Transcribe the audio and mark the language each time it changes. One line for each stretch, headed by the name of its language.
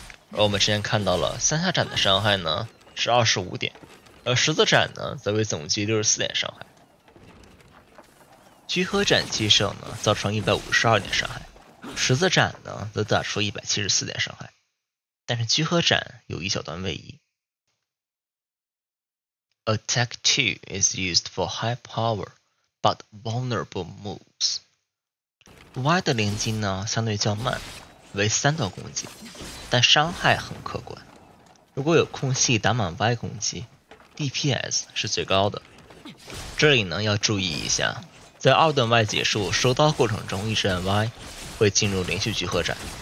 Chinese: 而我们之前看到了向下斩的伤害呢是25点，而十字斩呢则为总计64点伤害。聚合斩起手呢造成152点伤害，十字斩呢则打出174点伤害，但是聚合斩有一小段位移。
English: Attack 2 is used for high power but vulnerable moves.
Chinese: Y 的连击呢相对较慢，为三段攻击，但伤害很可观。如果有空隙打满 Y 攻击， DPS 是最高的。这里呢要注意一下，在二段 Y 结束收刀过程中，一直按 Y 会进入连续聚合斩。